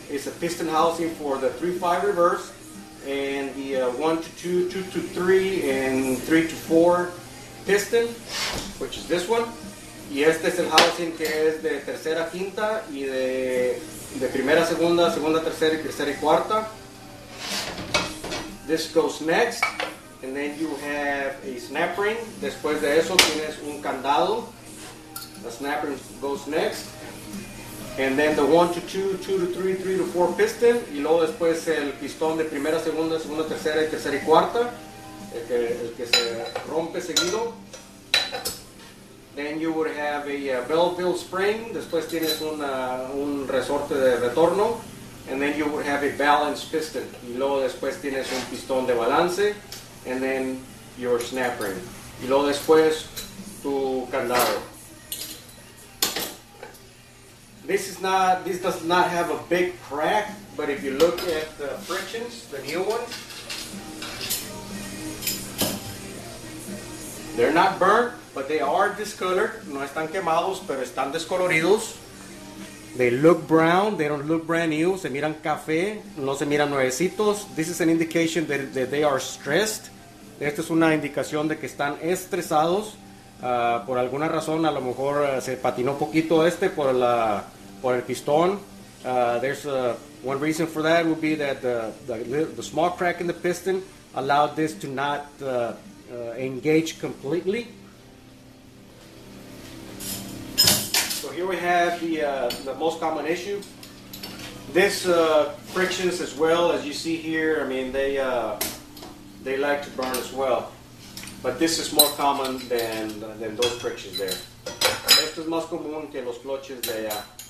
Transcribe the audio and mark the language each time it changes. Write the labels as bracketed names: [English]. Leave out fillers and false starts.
[English] It's a piston housing for the 3-5 reverse. And the 1-2, 2-3, and 3-4 piston, which is this one. [Spanish] Y este es el housing que es de tercera, quinta y de primera, segunda, segunda, tercera y cuarta. [English] This goes next, and then you have a snap ring. [Spanish] Después de eso tienes un candado. [English] The snap ring goes next. And then the 1-2, 2-3, 3-4 piston. [Spanish] Y luego después el pistón de primera, segunda, segunda, tercera y cuarta. El que se rompe seguido. [English] Then you would have a bell-bill spring. [Spanish] Después tienes un resorte de retorno. [English] And then you would have a balanced piston. [Spanish] Y luego después tienes un pistón de balance. [English] And then your snap ring. [Spanish] Y luego después tu candado. [English] This does not have a big crack, but if you look at the frictions, the new ones, they're not burnt, but they are discolored. [Spanish] No están quemados, pero están descoloridos. [English] They look brown. They don't look brand new. [Spanish] Se miran café. No se miran nuevecitos. [English] This is an indication that they are stressed. [Spanish] Esta es una indicación de que están estresados. Por alguna razón, a lo mejor se patinó poquito este por el pistón. [English] One reason for that would be that the small crack in the piston allowed this to not engage completely. So here we have the most common issue. This frictions as well, as you see here, I mean, they like to burn as well. But this is more common than those frictions there. [Spanish] Esto es más común que los cloches de allá.